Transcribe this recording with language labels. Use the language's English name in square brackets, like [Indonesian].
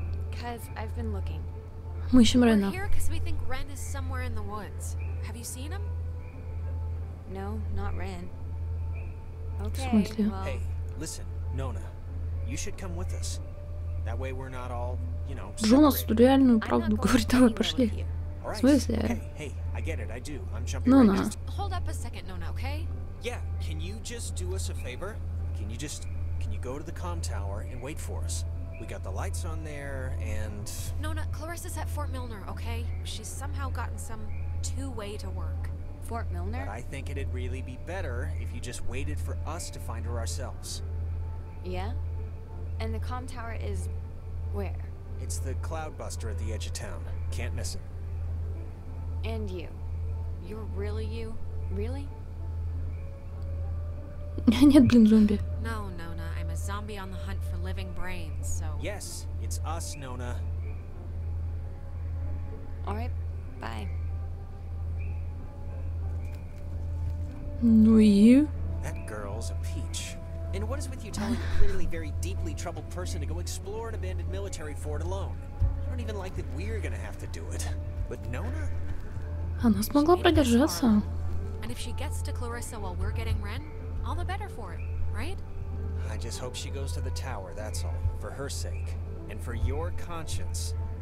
[English] Because I've been looking. We're here because we think Ren is somewhere in the woods. Have you seen him? No, not Ren. Okay, well... Hey, listen, Nona. You should come with us. That way we're not all, you know, [Russian] Джонас тут реальную правду говорит, давай пошли. В смысле? [English] Hey, I get it, I do. I'm jumping right now. Hold up a second, Nona, okay? Yeah, can you just do us a favor? Can you just... Can you go to the comm tower and wait for us? We got the lights on there, and... Nona, Clarissa's at Fort Milner, okay? She's somehow gotten some two-way to work. Fort Milner? But I think it'd really be better if you just waited for us to find her ourselves. Yeah? And the comm tower is... where? It's the cloud buster at the edge of town. Can't miss it. And you. You're really you? Really? [Russian] Нет, блин, зомби. [English] No, Nona. I'm a zombie on the hunt for living brains, so... Yes, it's us, Nona. Alright, bye. [Russian] Ну и? [English] That girl's a peach. And what is with you telling a clearly very deeply troubled person to go explore an abandoned military fort alone? I don't even like that we're gonna have to do it. But Nona? [Russian] Она смогла продержаться. [English] And if she gets to Clarissa while we're getting Ren, all the better for it, right? I just hope she goes to the tower, that's all. For her sake. And for your conscience.